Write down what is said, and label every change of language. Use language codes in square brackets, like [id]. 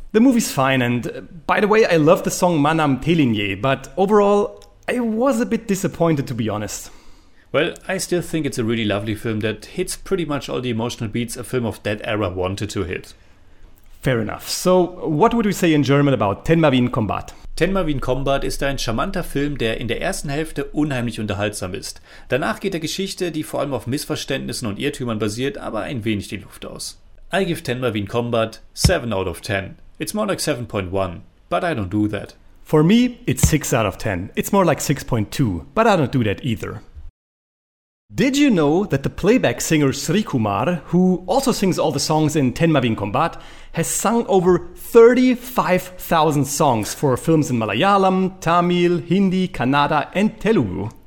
[en] The movie's fine, and by the way, I love the song Manam Telinye, but overall, I was a bit disappointed, to be honest. Well, I still think it's a really lovely film that hits pretty much all the emotional beats a film of that era wanted to hit. Fair enough. So, what would we say in German about Thenmavin Kombath? [de] Thenmavin Kombath ist ein charmanter Film, der in der ersten Hälfte unheimlich unterhaltsam ist. Danach geht der Geschichte, die vor allem auf Missverständnissen und Irrtümern basiert, aber ein wenig die Luft aus. [en] I give Thenmavin Kombath 7 out of 10. It's more like 7.1, but I don't do that. For me, it's 6 out of 10. It's more like 6.2, but I don't do that either. Did you know that the playback singer Sri Kumar, who also sings all the songs in Thenmavin Kombath, has sung over 35,000 songs for films in Malayalam, Tamil, Hindi, Kannada and Telugu?